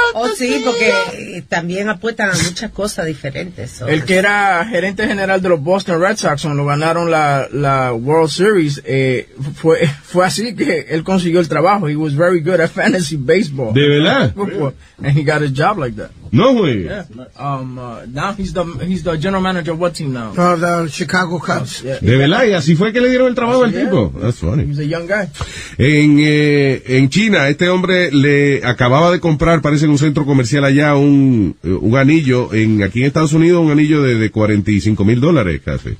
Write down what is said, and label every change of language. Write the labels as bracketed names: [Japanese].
[Spanish] Oh, sí, porque también apuestan a muchas cosas diferentes. ¿Sabes? El que era gerente general de los Boston Red Sox, en lugar ganaron la World Series, fue así que él consiguió el trabajo. [English] He was very good at fantasy baseball. [Spanish] ¿De verdad? [English] And he got a job like that. No way. Yeah. Now he's the general manager of what team now? The Chicago Cubs. Yeah. [Spanish] ¿De verdad? Y así fue que le dieron el trabajo al tipo. [English] That's funny. He's a young guy. [Spanish] En China, este hombre le acababa de comprar, parece en un centro comercial allá, un anillo, aquí en Estados Unidos, un anillo de $45,000 casi.